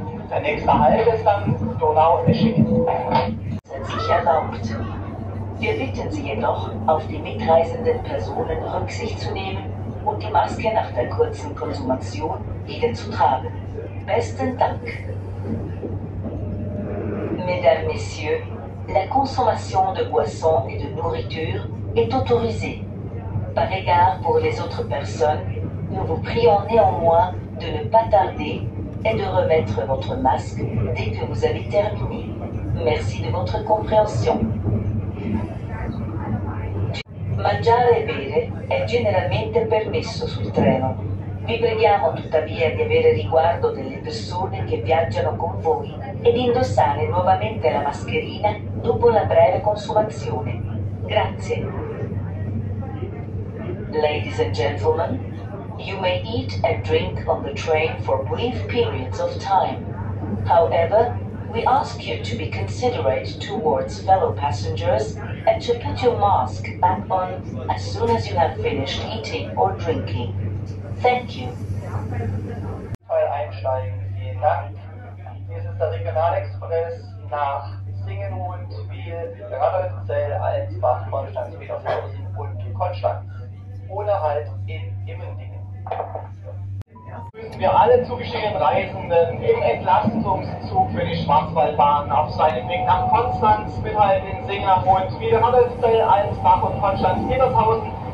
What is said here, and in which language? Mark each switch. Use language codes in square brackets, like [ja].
[de] Der nächste Halt ist dann Donaueschingen. Sind sich erlaubt. Wir bitten Sie jedoch, auf die mitreisenden Personen Rücksicht zu nehmen und die Maske nach der kurzen Konsumation wieder zu tragen. Besten Dank. [fr] Mesdames, Messieurs, la consommation de boissons et de nourriture est autorisée. Par égard pour les autres personnes, nous vous prions néanmoins de ne pas tarder et de remettre votre masque dès que vous avez terminé. Merci de votre compréhension. [it] Mangiare e bere è generalmente permesso sul treno. Vi preghiamo tuttavia di avere riguardo delle persone che viaggiano con voi e di indossare nuovamente la mascherina dopo la breve consumazione. Grazie. [en] Ladies and gentlemen, you may eat and drink on the train for brief periods of time. However, we ask you to be considerate towards fellow passengers and to put your mask back on as soon as you have finished eating or drinking. Thank you. [de] Voll einsteigen, vielen Dank. Hier ist der Regionalexpress nach Singen, Hohenwil, Rapperswil, Alsbach, Konstanz, Petershausen und Konstanz. Ohne Halt in Immendingen. Müssen wir alle zugestiegenen Reisenden im Entlastungszug für die Schwarzwaldbahn auf seinem Weg nach Konstanz mit Halt in Singen, Hohenwil, Rapperswil, Alsbach und Konstanz, Petershausen.